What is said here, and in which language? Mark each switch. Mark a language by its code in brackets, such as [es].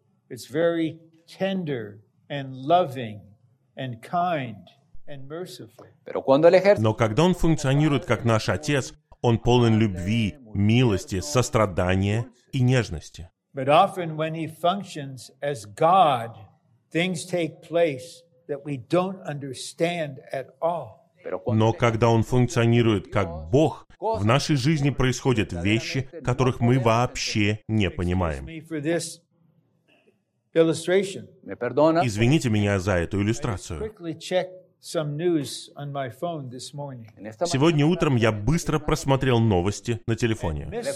[en] It's very tender and loving and kind and merciful. [ru] Но когда он функционирует как наш отец, Он полон любви, милости, сострадания и нежности. [en] But often when he functions as God, things take place that we don't understand at all. [ru] Но когда он функционирует как Бог, в нашей жизни происходят вещи, которых мы вообще не понимаем. Извините меня за эту иллюстрацию. Сегодня утром я быстро просмотрел новости на телефоне.